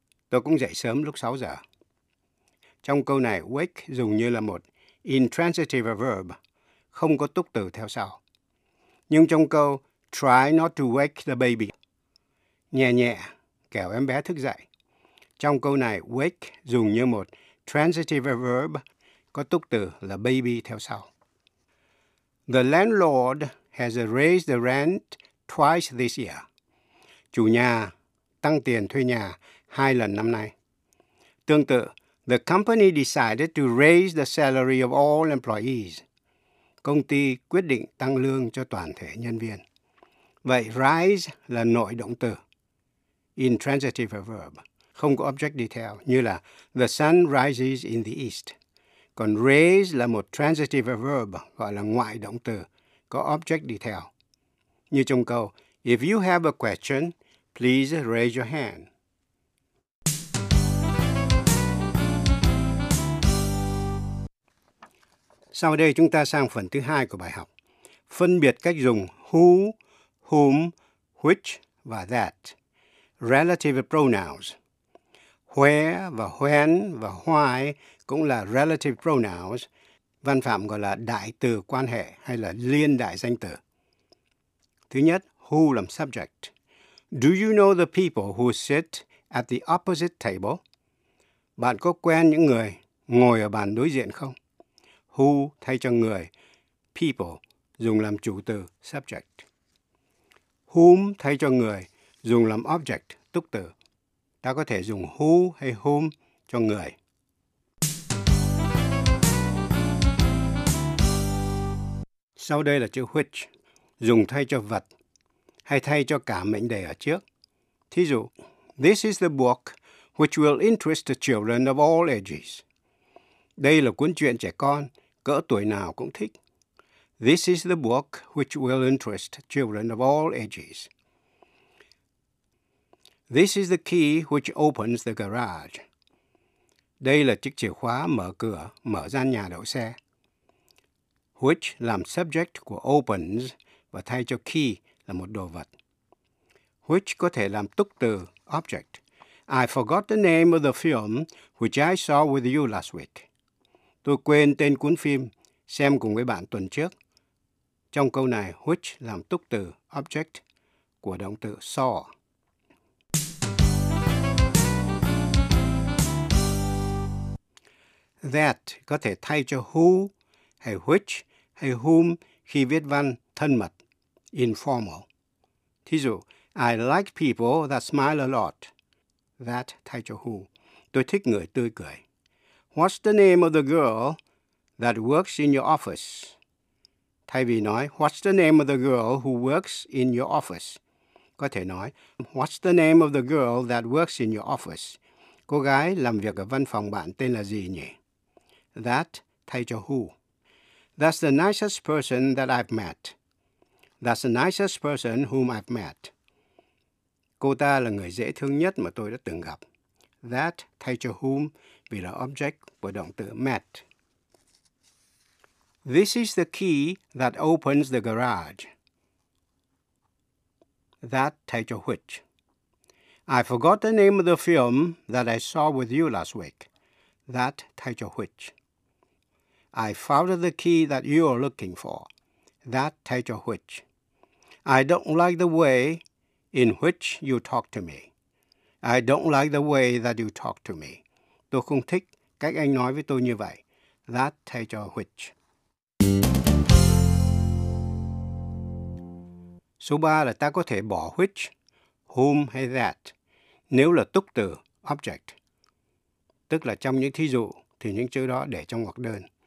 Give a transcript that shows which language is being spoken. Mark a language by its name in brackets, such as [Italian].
[Vietnamese] Tôi cũng dậy sớm lúc 6 giờ. Trong câu này, wake dùng như là một intransitive verb, không có túc từ theo sau. Nhưng trong câu [English] try not to wake the baby, [Vietnamese] nhẹ nhẹ, kẻo em bé thức dậy. Trong câu này, wake dùng như một transitive verb, có túc từ là baby theo sau. [English] The landlord has raised the rent twice this year. [Vietnamese] Chủ nhà tăng tiền thuê nhà hai lần năm nay. Tương tự, [English] the company decided to raise the salary of all employees. [Vietnamese] Công ty quyết định tăng lương cho toàn thể nhân viên. Vậy, rise là nội động từ, intransitive verb, không có object đi theo, như là [English] the sun rises in the east. [Vietnamese] Còn raise là một transitive verb, gọi là ngoại động từ, có object đi theo. Như trong câu, [English] if you have a question, please raise your hand. [Vietnamese] Sau đây chúng ta sang phần thứ hai của bài học, phân biệt cách dùng who, whom, which và that, relative pronouns. Where và when và why cũng là relative pronouns, văn phạm gọi là đại từ quan hệ hay là liên đại danh từ. Thứ nhất, who làm subject. [English] Do you know the people who sit at the opposite table? [Vietnamese] Bạn có quen những người ngồi ở bàn đối diện không? Who thay cho người, people, dùng làm chủ từ, subject. Whom thay cho người, dùng làm object, túc từ. Ta có thể dùng who hay whom cho người. Sau đây là chữ which, dùng thay cho vật, hay thay cho cả mệnh đề ở trước. Thí dụ, [English] this is the book which will interest the children of all ages. [Vietnamese] Đây là cuốn truyện trẻ con, cỡ tuổi nào cũng thích. [English] This is the book which will interest children of all ages. This is the key which opens the garage. [Vietnamese] Đây là chiếc chìa khóa mở cửa, mở gian nhà đậu xe. Which làm subject của opens và thay cho key là một đồ vật. Which có thể làm túc từ, object. [English] I forgot the name of the film which I saw with you last week. [Vietnamese] Tôi quên tên cuốn phim xem cùng với bạn tuần trước. Trong câu này, which làm túc từ, object, của động từ saw. That có thể thay cho who, hay which, hay whom khi viết văn thân mật, informal. Thí dụ, [English] I like people that smile a lot. [Vietnamese] That thay cho who. Tôi thích người tươi cười. [English] What's the name of the girl that works in your office? [Vietnamese] Thay vì nói, [English] what's the name of the girl who works in your office? [Vietnamese] Có thể nói, [English] what's the name of the girl that works in your office? [Vietnamese] Cô gái làm việc ở văn phòng bạn tên là gì nhỉ? That thay cho who. [English] That's the nicest person that I've met. That's the nicest person whom I've met. [Vietnamese] Cô ta là người dễ thương nhất mà tôi đã từng gặp. That thay cho whom vì là object của động từ met. [English] This is the key that opens the garage. [Vietnamese] That thay cho which. [English] I forgot the name of the film that I saw with you last week. [Vietnamese] That thay cho which. [English] I found the key that you are looking for. [Vietnamese] That thay cho which. [English] I don't like the way in which you talk to me. I don't like the way that you talk to me. [Vietnamese] Tôi không thích cách anh nói với tôi như vậy. That thay cho which. Số 3 là ta có thể bỏ which, whom hay that nếu là túc từ, object. Tức là trong những thí dụ thì những chữ đó để trong hoặc đơn.